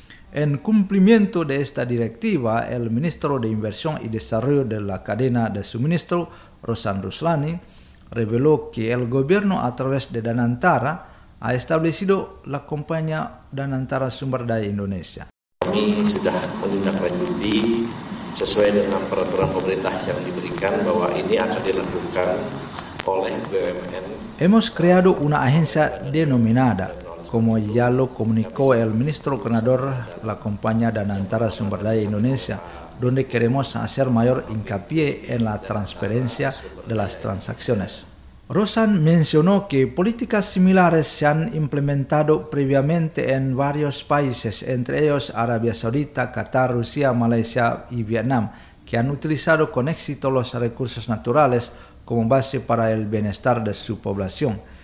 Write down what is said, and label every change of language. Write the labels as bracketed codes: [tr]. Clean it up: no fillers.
[es] En cumplimiento de esta directiva, el ministro de Inversión y Desarrollo de la Cadena de Suministro, Rosan Ruslani, reveló que el gobierno a través de Danantara ha establecido la compañía Danantara Sumber Daya Indonesia. [id] Kami sudah menindaklanjuti sesuai dengan peraturan pemerintah yang diberikan bahwa ini akan dilakukan oleh BUMN. [es] Hemos creado una agencia denominada, como ya lo comunicó el ministro coordinador la compañía Danantara Sumber Daya Indonesia, donde queremos hacer mayor hincapié en la transparencia de las transacciones. Rosan mencionó que políticas similares se han implementado previamente en varios países, entre ellos Arabia Saudita, Qatar, Rusia, Malasia y Vietnam, que han utilizado con éxito los recursos naturales como base para el bienestar de su población.